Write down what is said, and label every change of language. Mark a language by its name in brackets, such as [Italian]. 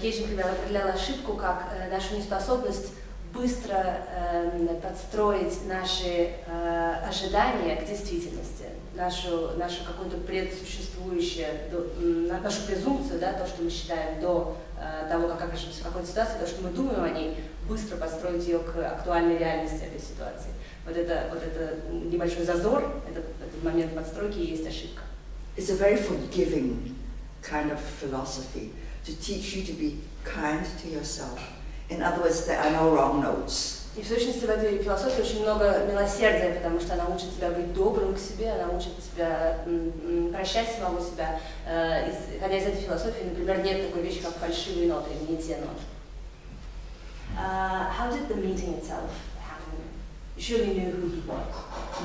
[Russian] Кейдж, например, определял ошибку как нашу неспособность быстро подстроить наши ожидания к действительности, нашу какую-то предсуществующую, нашу презумпцию, да, то, что мы считаем до того, как окажемся в какой-то ситуации, то, что мы думаем о ней, быстро подстроить ее к актуальной реальности этой ситуации. Вот это небольшой зазор, этот момент подстройки и есть ошибка. [English] It's a very forgiving kind of philosophy to teach you to be kind to yourself. In other words, there are no wrong notes. [Russian] И в сущности в этой философии очень много милосердия, потому что она учит тебя быть добрым к себе, она учит тебя прощать самого себя. Хотя из этой философии, например, нет такой вещи, как фальшивые ноты, не те ноты. [English] How did the meeting itself happen? You surely knew who he was.